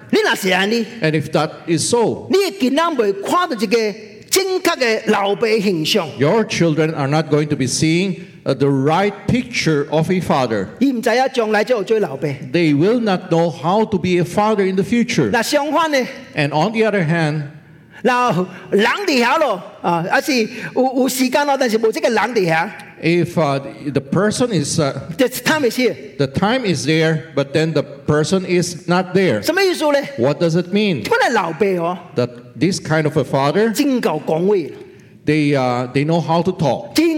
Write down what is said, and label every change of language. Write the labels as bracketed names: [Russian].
[English] And if that is so, your children are not going to be seeing the right picture of a father. They will not know how to be a father in the future. And on the other hand, [Chinese] 人在那里,但是没这个人在那里, [English] if the person is the time is here, the time is there, but then the person is not there. [Chinese] 什么意思呢? [English] What does it mean? [Chinese] 这个老爸哦, [English] that this kind of a father, they know how to talk.